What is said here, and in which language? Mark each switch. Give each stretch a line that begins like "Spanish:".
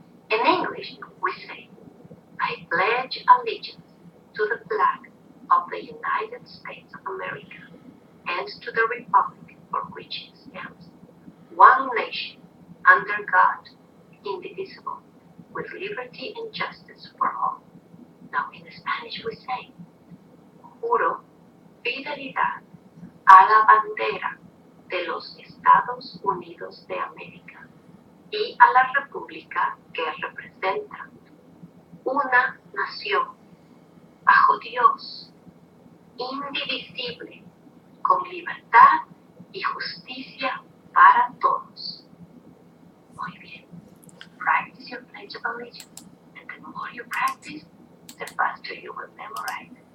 English: In English, we say, I pledge allegiance to the flag of the United States of America and to the Republic for which it stands. One nation, under God, indivisible, with liberty and justice for all. Now in Spanish we say,
Spanish: Juro fidelidad a la bandera de los Estados Unidos de América y a la República que representa una nación bajo Dios, indivisible, con libertad y justicia para todos. Muy bien.
English: Practice your pledge of allegiance, and the more you practice, the faster you will memorize.